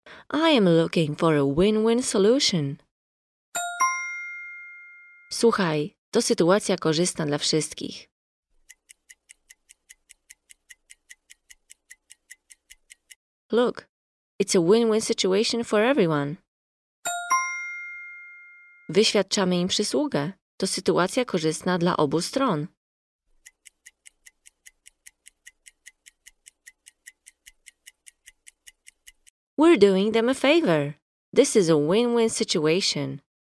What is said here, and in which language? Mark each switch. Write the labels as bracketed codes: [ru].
[en] I am looking for a win-win solution. [pl] Słuchaj, to sytuacja korzystna dla wszystkich. [en] Look, it's a win-win situation for everyone. [pl] Wyświadczamy im przysługę. To sytuacja korzystna dla obu stron. [en] We're doing them a favor. This is a win-win situation.